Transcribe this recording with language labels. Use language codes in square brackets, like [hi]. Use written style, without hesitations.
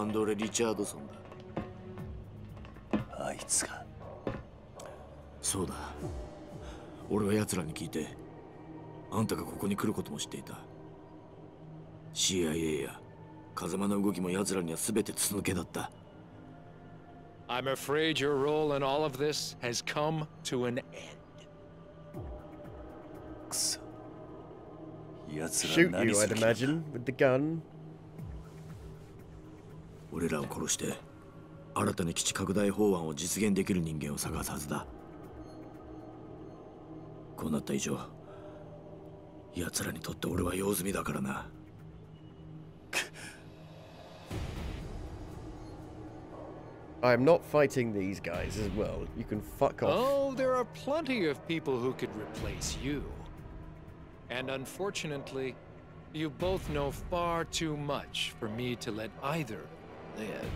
[ja] アンドレ・リチャードソンだ。あいつが。そうだ。俺は奴らに聞いて、あんたがここに来ることも知っていた。 CIA や風間の動きも奴らには全て筒抜けだった。 [en] I'm afraid your role in all of this has come to an end. [ja] くそ。奴ら何する気だ。 [en] Shoot you, I'd imagine, with the gun. [ja] 俺らを殺して、新たに基地拡大法案を実現できる人間を探すはずだ。こうなった以上、奴らにとって俺は用済みだからな。 [en] I am not fighting these guys as well. You can fuck off. Oh, there are plenty of people who could replace you. And unfortunately, you both know far too much for me to let either live.